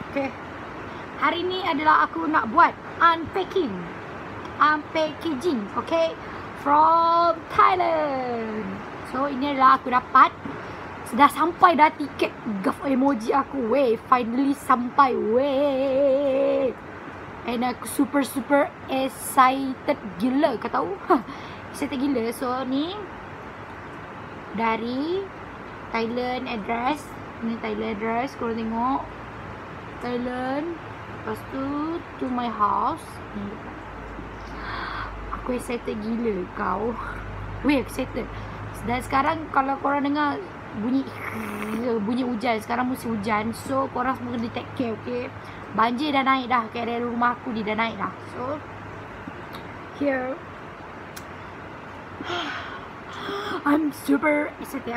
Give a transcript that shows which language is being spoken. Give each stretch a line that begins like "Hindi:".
Malay: Okay, hari ni adalah aku nak buat unpacking.
English: Unpackaging, okay, from Thailand.
Malay: So ini adalah aku dapat, sudah sampai dah tiket gaf emoji aku. Wey, finally sampai, wey. And aku
English: super super excited
Malay: gila, kau tahu. Excited gila. So ni dari Thailand address. Ni Thailand address, korang tengok. Thailand. Lepas tu,
English: to my house.
Malay: Aku excited gila kau. Weh, excited. Dan sekarang kalau korang dengar bunyi hujan. Sekarang musim hujan. So korang semua kena
English: take care,
Malay: okay. Banjir dah naik dah. Kat area rumah aku ni dah naik dah.
English: So here I'm super excited.